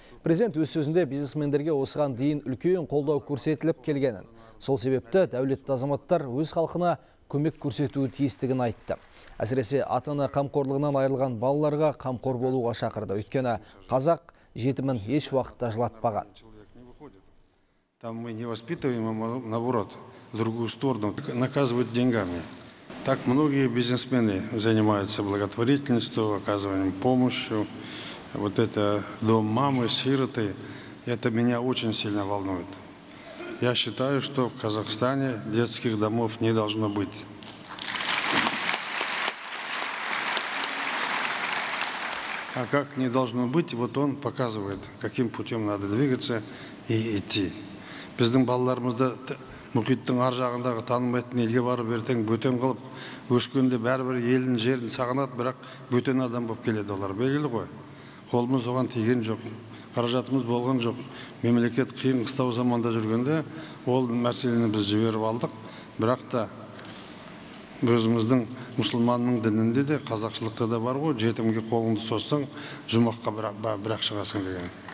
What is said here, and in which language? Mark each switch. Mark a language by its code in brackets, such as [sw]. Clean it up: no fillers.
[kk] Президент өз сөзінде бизнесмендерге осыған дейін үлкен қолдау көрсетіліп келгенін, сол себепті дәулетті азаматтар өз халқына көмек көрсетуі тиістігін айтты. Әсіресе ата-ана қамқорлығынан айырылған балаларға қамқор болуға шақырды. Өйткені қазақ жетімін еш уақытта жылатпаған. [ru] Там мы не воспитываем, а наоборот, в другую сторону наказывают деньгами. Так многие бизнесмены занимаются благотворительностью, оказыванием помощи. Вот это дом мамы, сироты, это меня очень сильно волнует. Я считаю, что в Казахстане детских домов не должно быть. А как не должно быть, вот он показывает, каким путем надо двигаться и идти. [kk] Біздің балаларымызды мұхиттың ар жағындағы танымайтын елге барып ертең бөтен қылып өскенде бәрібір елін жерін сағынады, бірақ бөтен адам болып келеді олар, белгілі ғой. Қолымыз оған тиген жоқ, қаражатымыз болған жоқ. Мемлекет қиын қыстау заманда жүргенде ол мәселені біз жіберіп алдық, бірақ та өзіміздің мұсылманның дінінде де қазақшылықта да бар ғой, жетімге қолыңды созсаң жұмаққа бірақ шығасың деген.